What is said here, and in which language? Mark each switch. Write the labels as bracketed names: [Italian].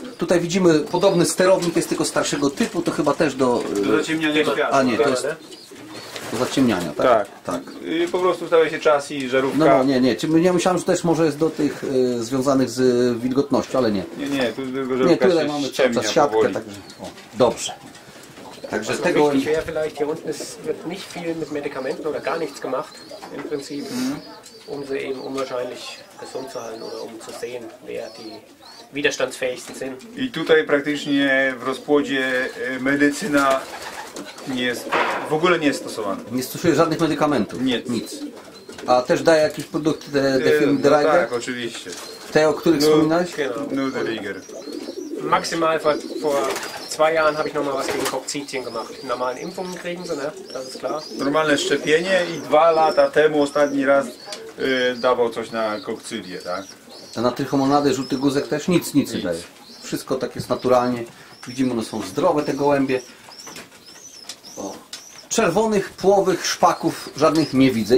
[Polish] Tutaj widzimy podobny sterownik, jest tylko starszego typu, to chyba też do... Do zaciemniania światła. A nie, to jest... Do zaciemniania, tak? Tak. Tak. I po prostu stawia się czas i żarówka. No, no nie, nie. Czy ja myślałem, że też może jest do tych związanych z wilgotnością, ale nie. Nie, nie, tu tylko żarówka nie, tyle się mamy ciemnia, czas, siatkę, także. O, dobrze. Także tego... [German] vielleicht hier unten wird nicht viel mit Medikamenten oder gar nichts gemacht im Prinzip, um sie eben unwahrscheinlich gesund zu halten oder um zu sehen, wer die widerstandsfähigsten sind. [Polish] I tutaj praktycznie w rozpłodzie medycyna nie jest, w ogóle nie jest stosowany. Nie stosuje żadnych medykamentów? Nie. Nic. A też daje jakieś produkty Defibrillator? No tak, oczywiście. Te, o których wspominałeś? Nudeliger. Maksymalnie for [German] 2 Jahren habe ich noch mal was gegen Kokzidien gemacht. Normalen Impfungen kriegen sie, ne? Das ist klar. [Polish] Normalne szczepienie i 2 lata temu ostatni raz dawał coś na kokcydię, tak? A na trichomonadę żółty guzek też nic nie daje. Wszystko tak jest naturalnie. Widzimy, one są zdrowe, te gołębie. O. Czerwonych, płowych szpaków żadnych nie widzę.